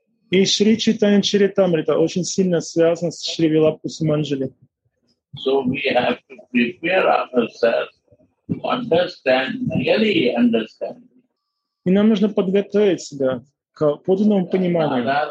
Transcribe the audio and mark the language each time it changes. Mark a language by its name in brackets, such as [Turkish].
[Russian] И Шри Читани Чаритамрита очень сильно связан с Шри Вилапу Суманджали. [English] So we have to prepare ourselves to understand, really understand. [Russian] И нам нужно подготовить себя к подлинному пониманию.